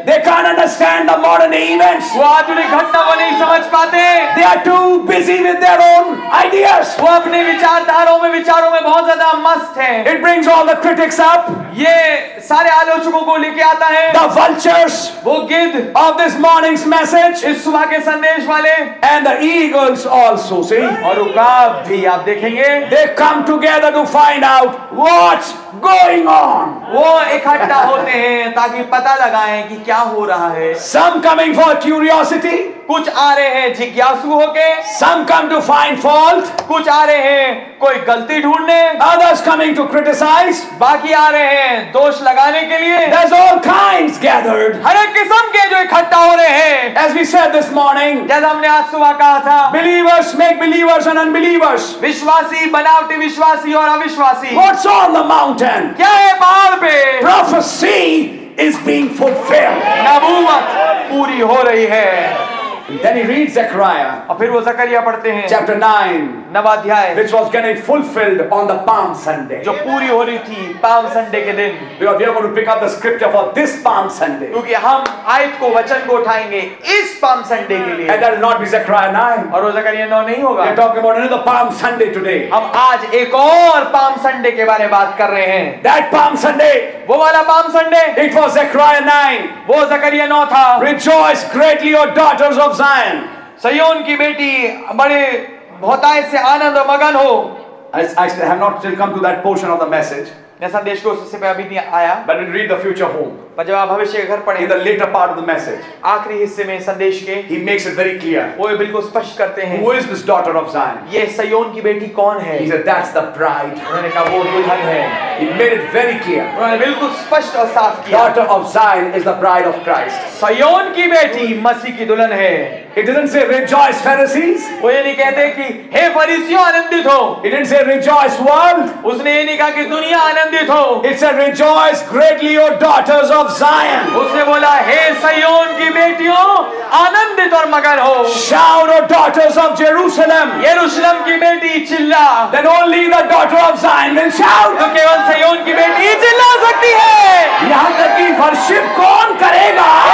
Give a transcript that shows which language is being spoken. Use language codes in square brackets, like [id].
[en] They can't understand the modern events. [hi] वो आधुनिक घटना को नहीं समझ पाते. [en] They are too busy with their own ideas. [hi] वो अपने विचारधाराओं में बहुत ज़्यादा मस्त हैं. [en] It brings all the critics up. [hi] ये सारे आलोचकों को लेके आता है. [en] The vultures. [hi] वो गिद्ध. [en] Of this morning. Message. [hi] इस सुबह के संदेश वाले. [en] And the eagles also, see? [hi] और उकाब भी आप देखेंगे. [en] They come together to find out what's going on. [hi] वो इकट्ठा होते हैं ताकि पता लगाएं कि क्या हो रहा है. [en] Some coming for curiosity. [hi] कुछ आ रहे हैं जिज्ञासु होके. [en] Some come to find fault. [hi] कुछ आ रहे हैं कोई गलती ढूंढने. [en] Others coming to criticize. [hi] बाकी आ रहे हैं दोष लगाने के लिए. [en] There's all kinds gathered. [hi] हर एक किस्म के जो इकट्ठा हो रहे हैं. [en] As we said this morning. [hi] जैसा हमने आज सुबह कहा था. [en] Believers make believers and unbelievers. [hi] विश्वासी बनावटी विश्वासी और अविश्वासी. [en] What's on the mountain? [hi] क्या है पहाड़ पे? [en] Prophecy is being fulfilled. [hi] नबूवत पूरी हो रही है. [en] Then he reads Zechariah. [hi] और फिर वो ज़करिया पढ़ते हैं. [en] Chapter 9. [hi] नवाध्याय. [en] Which was going to be fulfilled on the Palm Sunday. [hi] जो पूरी हो रही थी Palm Sunday के दिन. [en] Because we are going to pick up the scripture for this Palm Sunday. [hi] क्योंकि हम आयत को वचन को उठाएंगे इस Palm Sunday के लिए. [en] And that will not be Zechariah 9. [hi] और वो ज़करिया 9 नहीं होगा. [en] We are talking about another Palm Sunday today. [hi] हम आज एक और Palm Sunday के बारे में बात कर रहे हैं. [en] That Palm Sunday. [hi] वो वाला Palm Sunday. [en] It was Zechariah 9. [hi] वो ज़करिया 9 था. [en] Rejoice greatly, O daughters of Zion. [hi] सायोन की बेटी बड़े भोताए से आनंद और मगन हो. [en] I still have not still come to that portion of the message. [hi] मैं संदेश को उससे अभी नहीं आया. [en] But we read the future home. [hi] पर जब आप भविष्य के घर पढ़ें. [en] In the later part of the message. [hi] आखिरी हिस्से में संदेश के. [en] He makes it very clear. [hi] वो बिल्कुल स्पष्ट करते हैं. [en] Who is this daughter of Zion? [hi] ये सायोन की बेटी कौन है? [en] He said that's the bride. [hi] उन्होंने कहा वो दुल्हन है. [en] He made it very clear. [hi] उन्होंने बिल्कुल स्पष्ट और साफ किया. [en] Daughter of Zion is the bride of Christ. [hi] सायोन की बेटी मसीह की दुल्हन है. [en] It didn't say rejoice Pharisees. [hi] वो ये नहीं कहते कि हे फरीसियों आनंदित हो. [en] It didn't say rejoice world. [hi] उसने ये नहीं कहा कि दुनिया आनंदित हो. [en] It said rejoice greatly, O daughters of Zion. [hi] उसने बोला हे सायोन की बेटियों आनंदित और मगन हो. [en] Shout, O daughters of Jerusalem. [hi] यरूशलेम की बेटी चिल्ला. [en] Then only the daughter of Zion will shout. [hi] तो केवल सायोन की बेटी चिल्ला सकती है. यहाँ तक कि वर्शिप कौन करेगा?